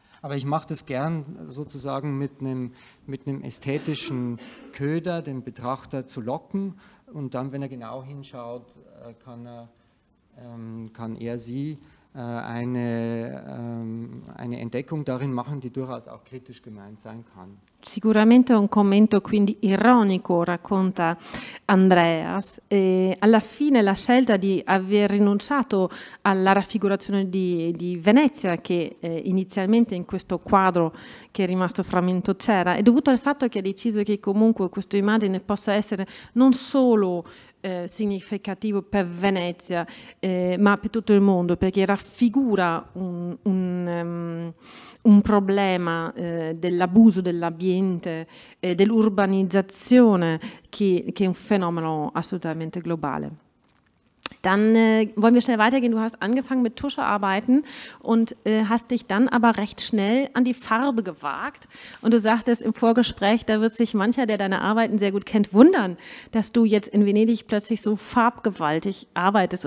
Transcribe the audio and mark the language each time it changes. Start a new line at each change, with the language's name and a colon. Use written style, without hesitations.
German: Aber ich mache das gern sozusagen mit einem ästhetischen Köder, den Betrachter zu locken. Und dann, wenn er genau hinschaut, kann er sie eine Entdeckung darin machen, die durchaus auch kritisch gemeint sein kann.
Italian: Sicuramente un commento quindi ironico, racconta Andreas. E alla fine la scelta di aver rinunciato alla raffigurazione di Venezia, che inizialmente in questo quadro che è rimasto frammento c'era, è dovuto al fatto che ha deciso che comunque questa immagine possa essere non solo significativo per Venezia, ma per tutto il mondo, perché raffigura un problema dell'abuso dell'ambiente, dell'urbanizzazione, che è un fenomeno assolutamente globale.
German: Dann wollen wir schnell weitergehen. Du hast angefangen mit Tuschearbeiten und hast dich dann aber recht schnell an die Farbe gewagt. Und du sagtest im Vorgespräch, da wird sich mancher, der deine Arbeiten sehr gut kennt, wundern, dass du jetzt in Venedig plötzlich so farbgewaltig arbeitest.